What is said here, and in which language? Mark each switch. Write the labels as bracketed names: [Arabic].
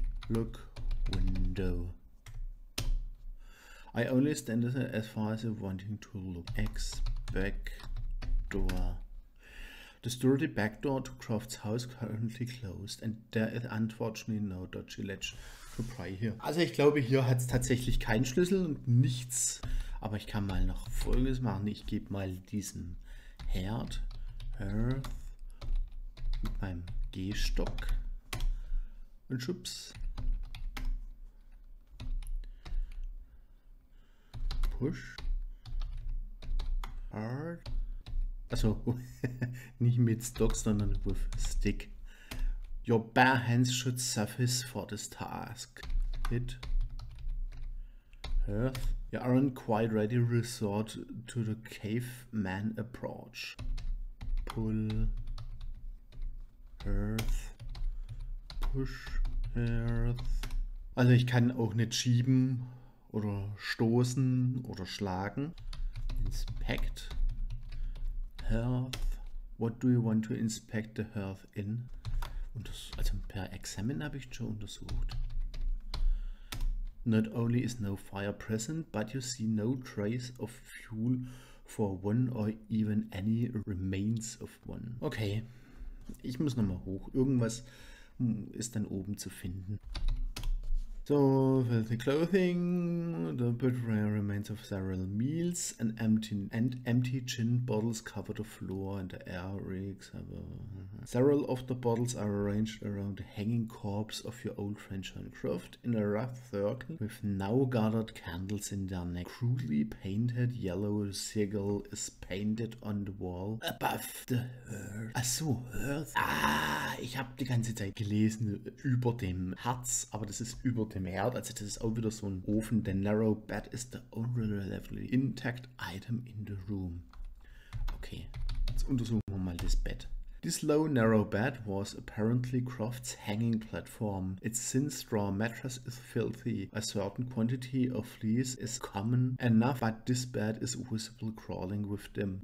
[English] Look, window. I only stand as far as I wanting to look. Axe back door. The sturdy back door to Crofts house currently closed and there is unfortunately no dodgy latch to pry here. [German] Also ich glaube, hier hat es tatsächlich keinen Schlüssel und nichts. Aber ich kann mal noch Folgendes machen. Ich gebe mal diesen Herd mit meinem Gehstock und schubs. [English] Push. Hard. [German] Also nicht mit Stock, sondern [English] with Stick. Your bare hands should suffice for this task. Hit. Earth. You aren't quite ready to resort to the caveman approach. Pull. Earth. Push. Earth. [German] Also ich kann auch nicht schieben oder stoßen oder schlagen. [English] Inspect. Hearth. What do you want to inspect the hearth in? [German] Und das, also per Examine habe ich schon untersucht. [English] Not only is no fire present, but you see no trace of fuel for one or even any remains of one. [German] Okay, ich muss nochmal hoch. Irgendwas ist dann oben zu finden. [English] So, filthy clothing, the bit rare remains of several meals, and empty gin bottles cover the floor and the air rigs. Several of the bottles are arranged around the hanging corpse of your old friend John Croft in a rough circle with now gathered candles in their neck. Crudely painted yellow seagull is painted on the wall above the hearth. [German] Ach so, hearth. Ah, ich habe die ganze Zeit gelesen über dem Herz, aber das ist über dem Herd, also das ist auch wieder so ein Ofen. [English] The narrow bed is the only relatively intact item in the room. [German] Okay, jetzt untersuchen wir mal das Bett. [English] This low narrow bed was apparently Croft's hanging platform. Its thin straw mattress is filthy. A certain quantity of fleas is common enough, but this bed is visible crawling with them.